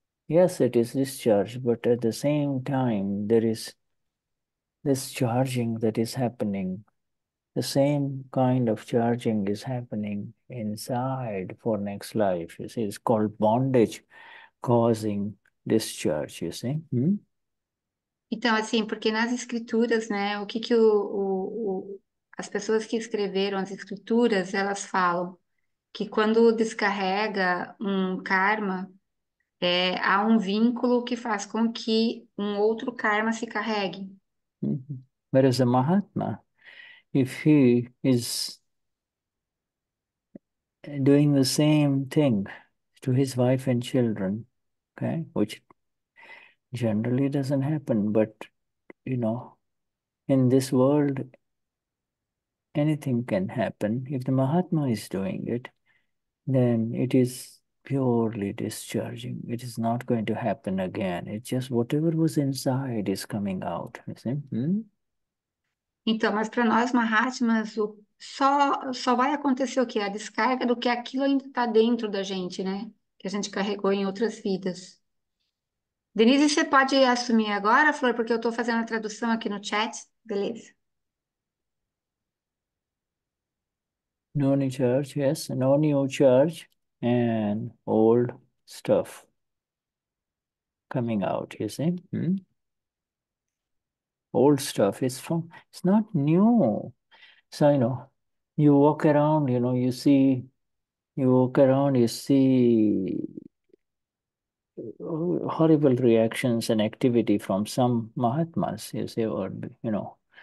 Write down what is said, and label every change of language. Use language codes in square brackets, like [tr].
[en] Yes, it is discharge, but at the same time, there is this charging that is happening. The same kind of charging is happening inside for next life. You see, it's called bondage causing discharge, you see? [pt] Então, assim, porque nas escrituras, né, o que que o As pessoas que escreveram as escrituras, elas falam que quando descarrega um karma, há um vínculo que faz com que um outro karma se carregue. [en] Whereas a Mahatma, if he is doing the same thing to his wife and children, okay, which generally doesn't happen, but you know, in this world, anything can happen. If the Mahatma is doing it, then it is purely discharging. It is not going to happen again. It's just whatever was inside is coming out. You see? [pt] Então, mas para nós, Mahatmas, só vai acontecer o quê? A descarga do que aquilo ainda está dentro da gente, né? Que a gente carregou em outras vidas. Denise, você pode assumir agora, Flor, porque eu estou fazendo a tradução aqui no chat. Beleza. [en] No new charge, yes, no new charge and old stuff coming out, you see? Old stuff is from, it's not new. So, you know, you walk around, you know, you see, you walk around, you see horrible reactions and activity from some Mahatmas, you see, or, you know.